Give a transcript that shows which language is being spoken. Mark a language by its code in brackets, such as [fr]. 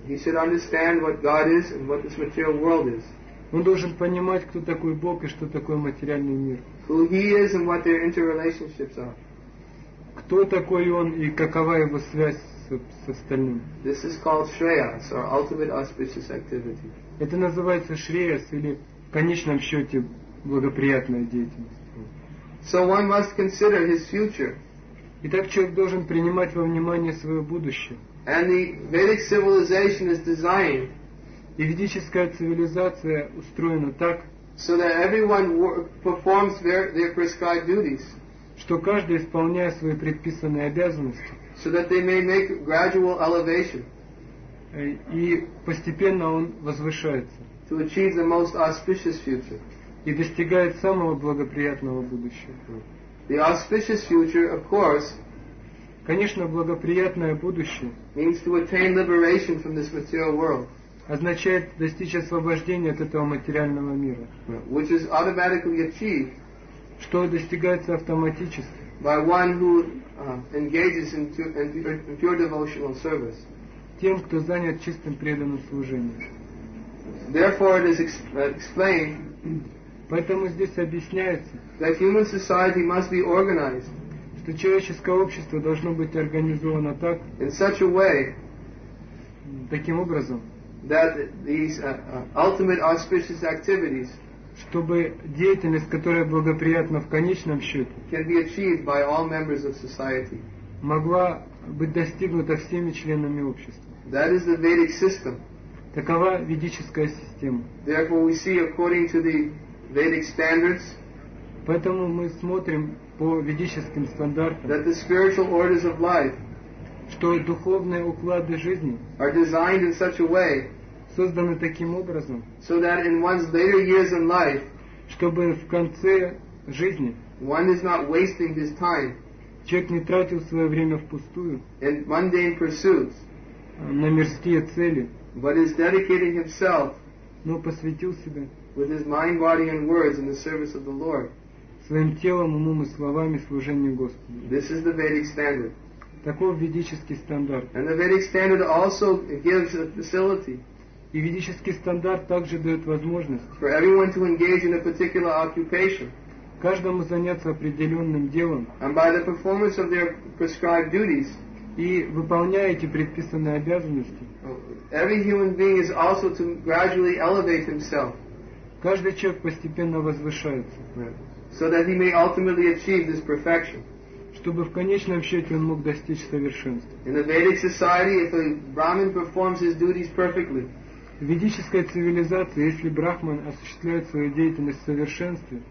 [en] He should understand what God is and what this material world is. [ru] Он должен понимать, кто такой Бог и что такое материальный мир. [en] Who he is and what their interrelationships are. [ru] Кто такой он и какова его связь с остальным. [en] This is called Shreyas, or ultimate auspicious activity. [ru] Это называется Шреяс или в конечном счете благоприятная деятельность. [en] So one must consider his future. [ru] Итак, человек должен принимать во внимание свое будущее. [en] And the Vedic civilization is designed. [ru] И ведическая цивилизация устроена так, [en] so that everyone performs their prescribed duties, [ru] что каждый исполняет свои предписанные обязанности, [en] so that they may make gradual elevation, [ru] и постепенно он возвышается, [en] to achieve the most auspicious future. [ru] И достигает самого благоприятного будущего. [en] The auspicious future, of course, [ru] конечно, благоприятное будущее [en] means to attain liberation from this material world, [ru] означает достичь освобождения от этого материального мира, [en] which is automatically achieved, [ru] что достигается автоматически, [en] by one who engages in pure devotional service, [ru] тем, кто занят чистым преданным служением. [en] Therefore, it is explained. [ru] Поэтому здесь объясняется, [en] that human society must be organized, [ru] что человеческое общество должно быть организовано так, [en] in such a way, [ru] таким образом, [en] that these ultimate auspicious activities, [ru] чтобы деятельность, которая благоприятна в конечном счете, [en] can be achieved by all members of society, [ru] могла быть достигнута всеми членами общества. [en] That is the Vedic system. [ru] Такова ведическая система. [en] Therefore, we see according to the Vedic standards, [ru] поэтому мы смотрим по ведическим стандартам, [en] that the spiritual orders of life, [ru] что духовные уклады жизни, [en] are designed in such a way, [ru] созданы таким образом, [en] so that in one's later years in life, [ru] чтобы в конце жизни, [en] one is not wasting his time, [ru] человек не тратил свое время впустую, [en] in mundane pursuits, [ru] на мирские цели, [en] but is dedicating himself, [ru] но посвятил себя, [en] with his mind, body, and words in the service of the Lord. [ru] Своим телом, умом и словами служению Господу. [en] This is the Vedic standard. [ru] Таков ведический стандарт. [en] And the Vedic standard also gives a facility. [ru] И ведический стандарт также дает возможность. [en] For everyone to engage in a particular occupation. [ru] Каждому заняться определенным делом. [en] And by the performance of their prescribed duties. [ru] И выполняя эти предписанные обязанности. [en] Every human being is also to gradually elevate himself. [ru] Каждый человек постепенно возвышается, [en] so that he may ultimately achieve this perfection. [ru] Чтобы в конечном счете он мог достичь совершенства. [en] In the Vedic society, if a Brahmin performs his duties perfectly, [ru] в ведической цивилизации, если Брахман осуществляет свою деятельность в совершенстве,